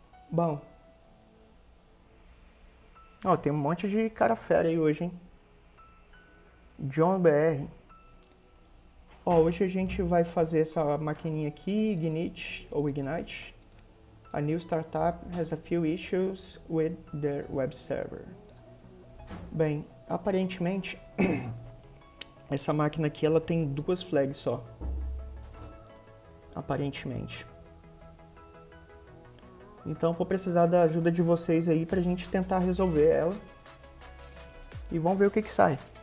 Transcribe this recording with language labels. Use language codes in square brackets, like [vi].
[pt] Bom. Ó, tem um monte de cara fera aí hoje, hein? John BR. Ó, hoje a gente vai fazer essa maquininha aqui, Ignite ou Ignite. [en] A new startup has a few issues with their web server. [pt] Bem, aparentemente. Essa máquina aqui, ela tem duas flags só. Aparentemente. Então, vou precisar da ajuda de vocês aí pra gente tentar resolver ela. E vamos ver o que que sai.